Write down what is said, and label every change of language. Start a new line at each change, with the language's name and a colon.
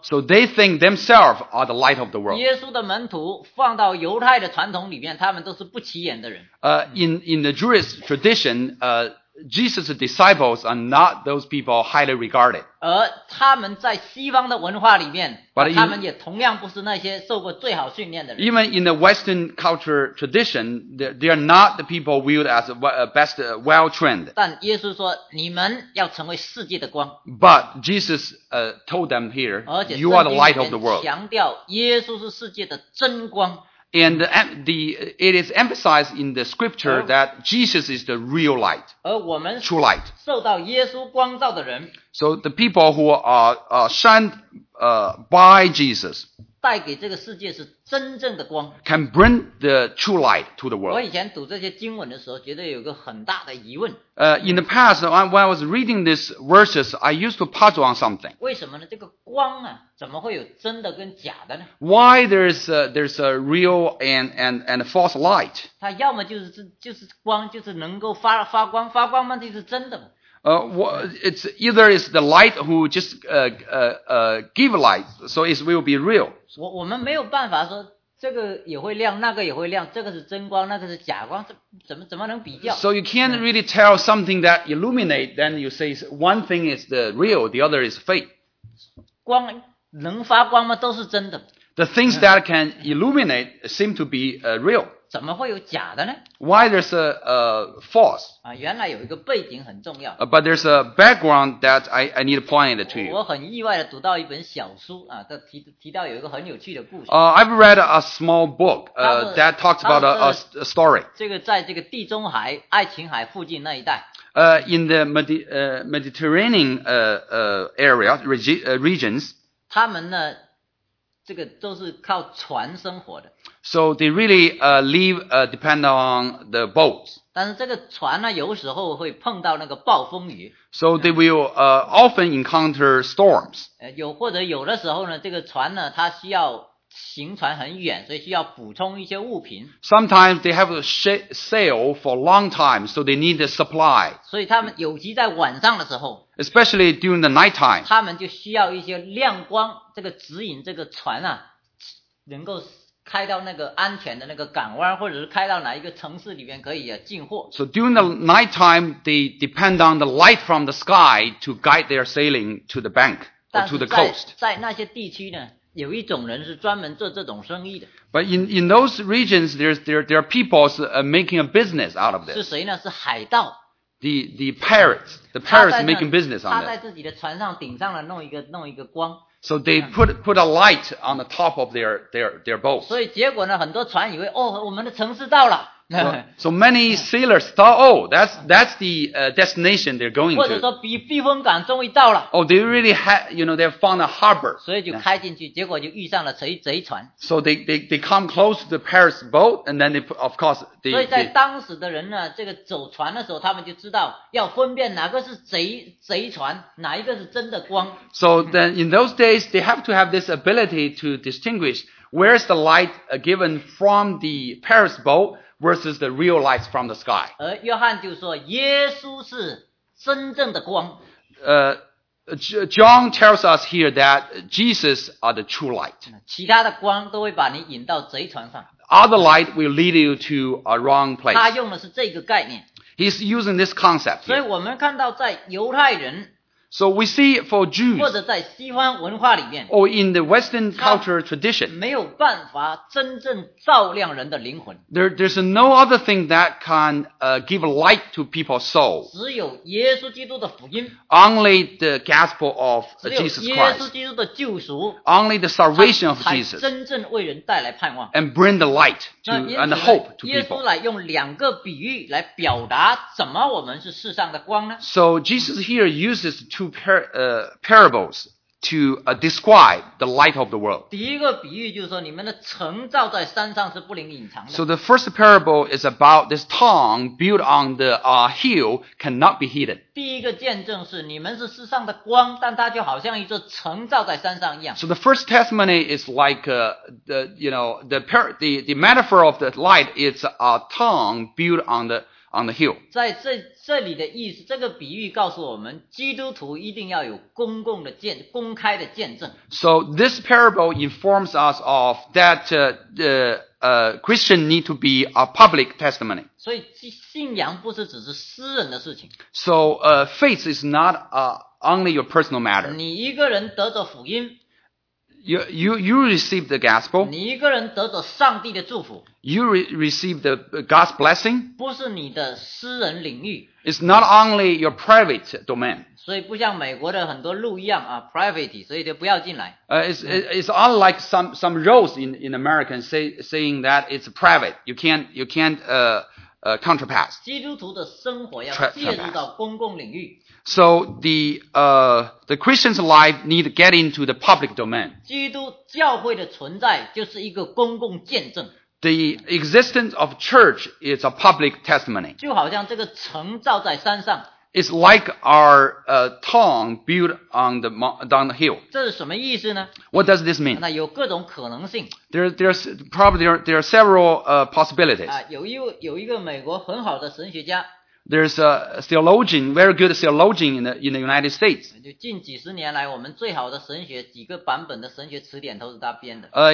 English: So they think themselves are the light of the world.
Chinese: 耶稣的门徒放到犹太的传统里面，他们都是不起眼的人。
English: In the Jewish tradition, Jesus' disciples are not those people highly regarded.
Chinese: 而他们在西方的文化里面，他们也同样不是那些受过最好训练的人。
English: Even in the Western culture tradition, they are not the people viewed as best well-trained.
Chinese: 但耶稣说，你们要成为世界的光。
English: But Jesus told them here, you are the light of the world.
Chinese: 而且圣经里面强调耶稣是世界的真光。
English: And it is emphasized in the scripture that Jesus is the real light, true light.
Chinese: 受到耶稣光照的人,
English: so the people who are shined by Jesus
Chinese: 带给这个世界是真正的光,
English: can bring the true light to the world.
Chinese: 我以前读这些经文的时候觉得有个很大的疑问。
English: In the past, when I was reading these verses, I used to puzzle on something.
Chinese: 为什么呢？这个光啊，怎么会有真的跟假的呢？
English: Why there's a real and a false light?
Chinese: 它要么就是光，就是能够发光，发光嘛，就是真的嘛。
English: It's the light who just give light, so it will be real.
Chinese: 我们没有办法说这个也会亮，那个也会亮，这个是真光，那个是假光，怎么能比较？
English: So you can't really tell something that illuminate, then you say one thing is the real, the other is fake.
Chinese: 光能发光吗？都是真的。
English: The things that can illuminate seem to be real.
Chinese: 怎么会有假的呢？
English: Why there's a false?
Chinese: 啊，原来有一个背景很重要。
English: But there's a background that I need to point it to you.
Chinese: 我很意外的读到一本小书啊，它提到有一个很有趣的故事。
English: I've read a small book that talks about a story.
Chinese: 这个在这个地中海、爱琴海附近那一带。
English: In the Mediterranean area regions.
Chinese: 他们呢，这个都是靠船生活的。
English: So they really depend on the boats.
Chinese: 但是这个船呢，有时候会碰到那个暴风雨。
English: So they will often encounter storms.
Chinese: 或者有的时候呢，这个船呢，它需要行船很远，所以需要补充一些物品。
English: Sometimes they have to sail for a long time, so they need a supply.
Chinese: 所以他们尤其在晚上的时候。
English: Especially during the night time.
Chinese: 他们就需要一些亮光，这个指引这个船啊，能够开到那个安全的那个港湾，或者是开到哪一个城市里面可以进货。
English: So during the night time, they depend on the light from the sky to guide their sailing to the bank or to the coast.
Chinese: 在那些地区呢，有一种人是专门做这种生意的。
English: But in those regions, there are people making a business out of this.
Chinese: 是谁呢？是海盗。
English: the pirates making business on it.
Chinese: 他在自己的船上顶上了弄一个光。
English: So they put a light on the top of their boat.
Chinese: 所以结果呢，很多船以为哦，我们的城市到了。
English: So many sailors thought, oh, that's the destination they're going to.
Chinese: 或者说避风港终于到了。
English: Oh, they really had, you know, they found a harbor.
Chinese: 所以就开进去，结果就遇上了贼船。
English: So they come close to the pirate's boat, and then they.
Chinese: 所以在当时的人呢，这个走船的时候，他们就知道要分辨哪个是贼船，哪一个是真的光。
English: So then in those days, they have to have this ability to distinguish where's the light given from the pirate's boat. Versus the real lights from the sky.
Chinese: 而约翰就说，耶稣是真正的光。
English: John tells us here that Jesus are the true light.
Chinese: 其他的光都会把你引到贼船上。
English: Other light will lead you to a wrong place.
Chinese: 他用的是这个概念。
English: He's using this concept here.
Chinese: 所以我们看到在犹太人。
English: So we see for Jews,
Chinese: 或者在西方文化里面,
English: or in the Western culture tradition,
Chinese: 没有办法真正照亮人的灵魂。
English: There's no other thing that can give light to people's soul.
Chinese: 只有耶稣基督的福音。
English: Only the gospel of Jesus Christ.
Chinese: 只有耶稣基督的救赎。
English: Only the salvation of Jesus.
Chinese: 才真正为人带来盼望。
English: And bring the light and the hope to people.
Chinese: 耶稣来用两个比喻来表达怎么我们是世上的光呢？
English: So Jesus here uses two parables to describe the light of the world.
Chinese: 第一个比喻就是说你们的城造在山上是不能隐藏的。
English: So the first parable is about this town built on the hill cannot be hidden.
Chinese: 第一个见证是你们是世上的光，但它就好像一座城造在山上一样。
English: So the first testimony is like the metaphor of the light is a town built on the hill.
Chinese: 在这里的意思，这个比喻告诉我们，基督徒一定要有公开的见证。
English: So this parable informs us of that Christian need to be a public testimony.
Chinese: 所以信仰不是只是私人的事情。
English: So faith is not only your personal matter.
Chinese: 你一个人得着福音。
English: You receive the gospel.
Chinese: 你一个人得着上帝的祝福。
English: You receive the God's blessing.
Chinese: 不是你的私人领域。
English: It's not only your private domain.
Chinese: 所以不像美国的很多路一样啊 ，private， 所以就不要进来。
English: It's unlike some roads in America saying that it's private. You can't contrapass.
Chinese: 基督徒的生活要介入到公共领域。
English: So the Christian's life need to get into the public domain.
Chinese: 基督教会的存在就是一个公共见证。
English: The existence of church is a public testimony.
Chinese: 就好像这个城造在山上。
English: It's like our town built on the down the hill.
Chinese: 这是什么意思呢？
English: What does this mean?
Chinese: 那有各种可能性。
English: There are several possibilities.
Chinese: 有一个美国很好的神学家。
English: There's a theologian, very good theologian in the United States.
Chinese: 就近几十年来，我们最好的神学几个版本的神学词典都是他编的。